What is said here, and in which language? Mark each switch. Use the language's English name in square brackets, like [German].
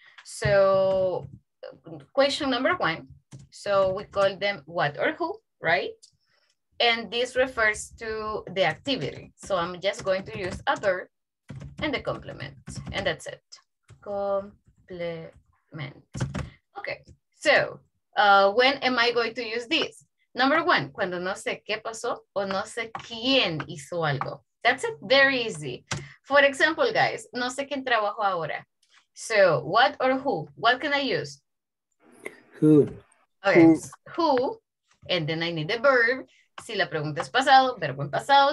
[English] So question number one, so we call them what or who, right? And this refers to the activity. So I'm just going to use a verb and the complement, and that's it. Complement. Okay, so when am I going to use this? Number one, [Spanish] cuando no sé qué pasó o no sé quién hizo algo. [English] That's it, very easy. For example, guys, [Spanish] no sé quién trabajó ahora. [English] So, what or who? What can I use? Who. Okay, who, and then I need the verb. [Spanish] Si la pregunta es pasado, verbo en pasado.